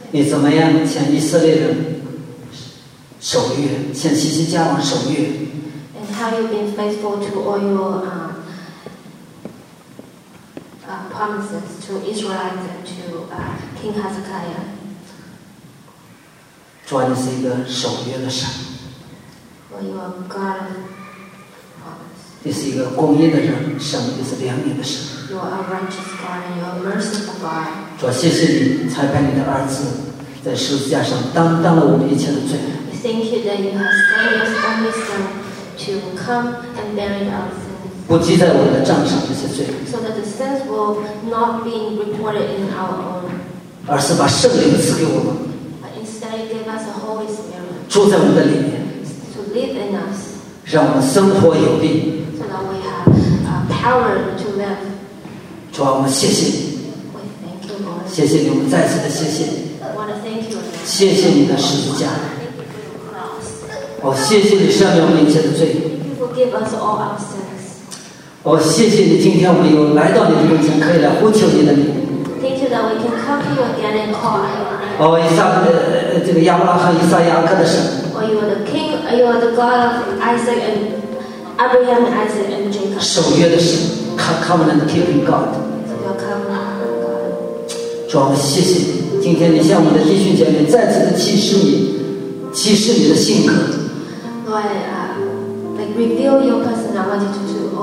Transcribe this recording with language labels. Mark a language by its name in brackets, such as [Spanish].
[Chinese] 你怎么样向以色列人守约，向西西家王守约 [English] ？And how you been faithful to all your promises to Israel and to King Hezekiah. [Chinese] 主啊，你是一个守约的神。 [English] For you are God of promise. [Chinese] 你是一个公义的人，神也是怜悯的神。 [English] You are a righteous God and you are a merciful God. [Chinese] 主啊，谢谢你差派你的儿子在十字架上担当了我们一切的罪。 [English] We thank you that you have sent your only son to come and bear our sins. [Chinese] 不记在我们的账上这些罪。 [English] So that the sins will not be reported in our own. [Chinese] 而是把圣灵赐给我们。 [English] But instead, he gave us the Holy Spirit. [Chinese] 住在我们的里面。 [English] To live in us. [Chinese] 让我们生活有力。 [English] So that we have power to live. [Chinese] 主啊，我们谢谢你。 [English] We thank you, Lord. [Chinese] 谢谢你，我们再次的谢谢你。 [English] I want to thank you. [Chinese] 谢谢你的十字架。 [English] Thank you for your cross. [Chinese] 我谢谢你赦免我们一切的罪。 [English] You forgive us all our sins. [Chinese] 我谢谢你，今天我们有来到你的面前，可以来呼求你的名。 [English] Thank you that we can come to you again and call your name. [Chinese] 哦，以撒这个亚伯拉罕、以撒、雅各的神。 [English] Oh, you are the King. You are the God of Isaac and Abraham, Isaac and Jacob. [Chinese] 守约的神 ， [English] Covenant-keeping God. So you're Covenant-keeping God. [Chinese] 主，我们谢谢你，今天你向我们的弟兄姐妹再次的启示你，启示你的性格。 [English] Lord, like reveal your personality to.